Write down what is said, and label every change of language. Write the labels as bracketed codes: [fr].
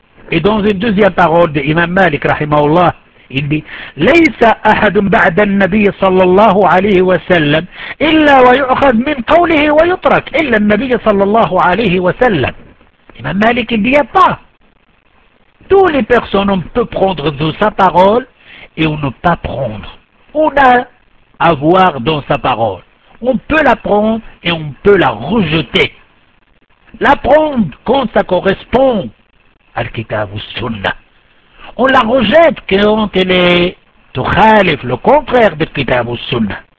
[fr] Et dans une deuxième parole de Imam Malik rahimahullah, il dit [ar] ليس احد بعد النبي صلى الله عليه وسلم الا ويؤخذ من قوله ويترك الا النبي صلى الله عليه وسلم. [fr] Imam Malik il dit pas. Tous les personnes, on peut prendre de sa parole et on ne peut pas prendre. On a à voir dans sa parole. On peut la prendre et on peut la rejeter. La prendre quand ça correspond à l'Kitab ou Sunna. On la rejette quand elle est [ar] تخالف لو كونترير دو الكتاب والسنه.